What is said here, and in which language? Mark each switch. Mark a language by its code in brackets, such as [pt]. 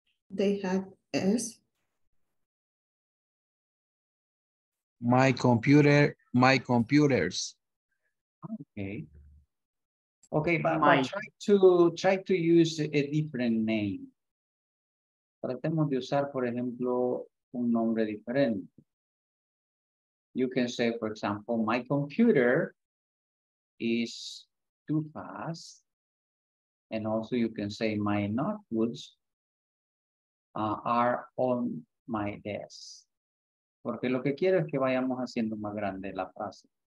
[en] They have S. My computers. Okay, but try to use a different name. [es] Tratemos de usar, por ejemplo, un nombre diferente. [en] You can say, for example, my computer is too fast. And also you can say my notebooks are on my desk. [es] Porque lo que quiero es que vayamos haciendo más grande la frase.